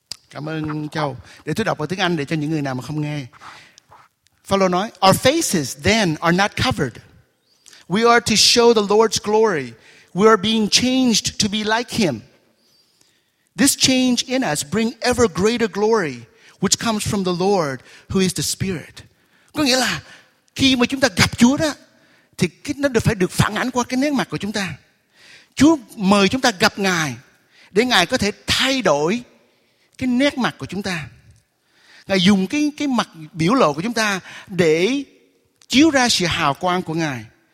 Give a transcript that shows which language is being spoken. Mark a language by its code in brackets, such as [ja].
[vi] Cảm ơn Châu. Để tôi đọc vào tiếng Anh để cho những người nào mà không nghe. Phaolô nói, [en] Our faces then are not covered. We are to show the Lord's glory. We are being changed to be like Him. This change in us bring ever greater glory, which comes from the Lord, who is the Spirit. [vi] Có nghĩa là khi mà chúng ta gặp Chúa đó, thì nó phải được phản ánh qua cái nét mặt của chúng ta. Chúa mời chúng ta gặp Ngài, để Ngài có thể thay đổi cái nét mặt của chúng ta. Ngài dùng cái mặt biểu lộ của chúng ta để chiếu ra sự hào quang của Ngài.